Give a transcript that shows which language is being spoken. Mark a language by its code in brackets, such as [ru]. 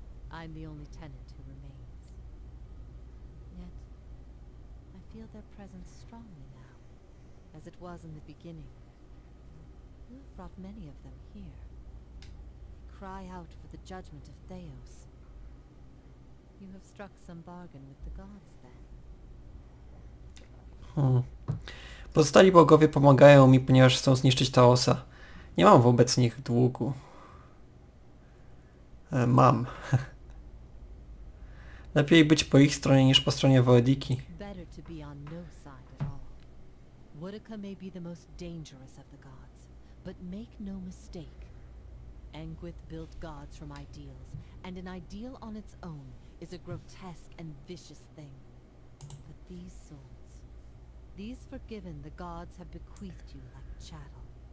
[en] I'm the only tenant who remains. Yet, I feel their presence strongly now, as it was in the beginning. You have brought many of them here. They cry out for the judgment of Theos. You have struck some bargain with the gods, then. [pl] Pozostali bogowie pomagają mi, ponieważ chcą zniszczyć Taosa. Nie mam wobec nich długu. Mam. Lepiej być po ich stronie niż po stronie Woediki. [en] Better to be on no side at all. Woedika may be the most dangerous of the gods, but make no mistake. Angwith built gods from ideals, and an ideal on its own is a grotesque and vicious thing. But these souls. These forgiven, the gods have bequeathed you like chattel.